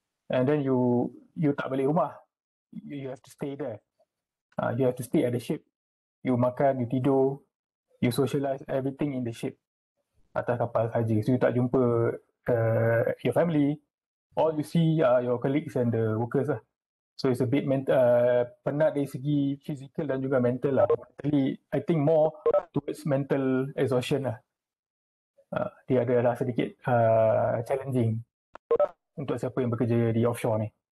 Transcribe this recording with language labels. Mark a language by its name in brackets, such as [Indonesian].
[English] And then you tak balik rumah. You have to stay there. You have to stay at the ship. You makan, you tidur, you socialize, everything in the ship. Atas kapal sahaja. So you tak jumpa your family. All you see are your colleagues and the workers lah. [Malay] So it's a bit penat dari segi physical dan juga mental lah. [English] Actually, I think more towards mental exhaustion lah. [Malay] Dia adalah sedikit challenging untuk siapa yang bekerja di offshore ni.